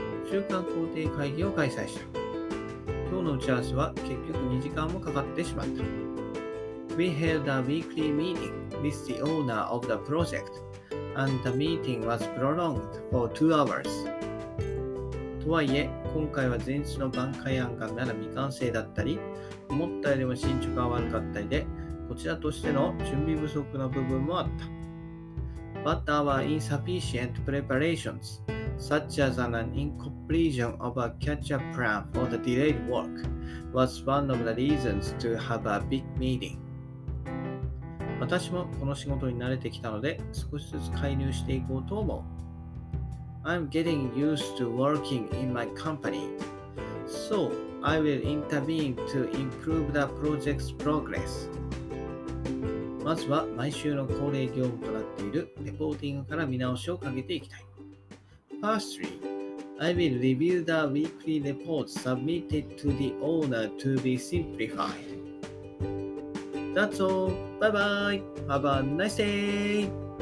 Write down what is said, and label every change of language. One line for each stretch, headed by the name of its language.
Japanese: 週刊校庭会議を開催した。今日の打ち合わせは結局2時間もかかってしまった。
English: We held a weekly meeting with the owner of the project, and the meeting was prolonged for 2 hours.
Japanese: とはいえ、今回は前日の挽回案がまだ未完成だったり、思ったよりも進捗が悪かったりで、こちらとしての準備不足の部分もあった。
English: But our insufficient preparations, such as an incompletion of a catch-up plan for the delayed work, was one of the reasons to have a big meeting.
Japanese: 私もこの仕事に慣れてきたので、少しずつ介入していこうと思う。
English: I'm getting used to working in my company, so I will intervene to improve the project's progress.
Japanese: まずは毎週の恒例業務となっているレポーティングから見直しをかけていきたい。
English: Firstly, I will review the weekly report submitted to the owner to be simplified. That's all. Bye bye. Have a nice day.